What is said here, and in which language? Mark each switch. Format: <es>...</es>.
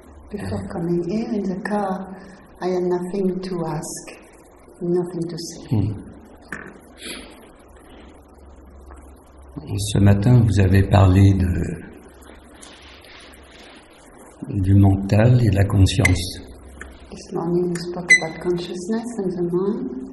<en>Before coming here in the car, I had nothing to ask, nothing to say.</en> <fr>Ce matin, vous avez parlé du mental et de la conscience.</fr> <en>This morning, we spoke about consciousness and the mind.</en>